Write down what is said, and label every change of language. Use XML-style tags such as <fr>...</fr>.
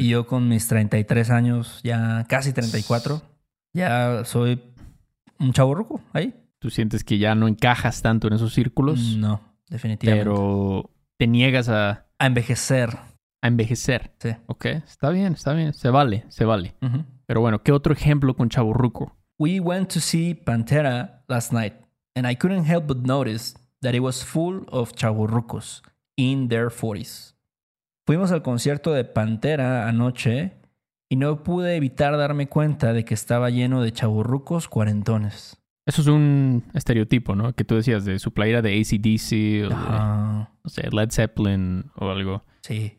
<es>Y yo con mis 33 años, ya casi 34, ya soy un chavorruco ahí. ¿Tú sientes que ya no encajas tanto en esos círculos? No, definitivamente. Pero te niegas a... A envejecer. A envejecer. Sí. Ok, está bien, está bien. Se vale, se vale. Uh-huh. Pero bueno, ¿qué otro ejemplo con chavorruco?</es> <en>We went to see Pantera last night and I couldn't help but notice that it was full of chavorrucos in their 40s.</en> <es>Fuimos al concierto de Pantera anoche y no pude evitar darme cuenta de que estaba lleno de chavorrucos cuarentones. Eso es un estereotipo, ¿no? Que tú decías de su playera de AC/DC o de, no sé, Led Zeppelin o algo. Sí.</es>